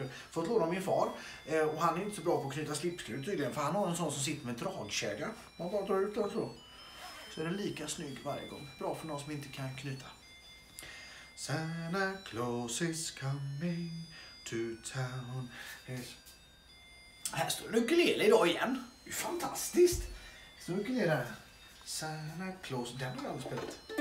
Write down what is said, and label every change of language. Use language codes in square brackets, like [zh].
[sv] Fått låna min far, och han är inte så bra på att knyta slipskruv tydligen, för han har en sån som sitter med en dragkedja. Man bara drar ut den så. Så är den lika snygg varje gång. Bra för någon som inte kan knyta. [en] Santa Claus is coming to town. [sv] Här står en ukulele idag igen. Det är fantastiskt. Så ukulele där. Santa Claus, den har jag aldrig spelat.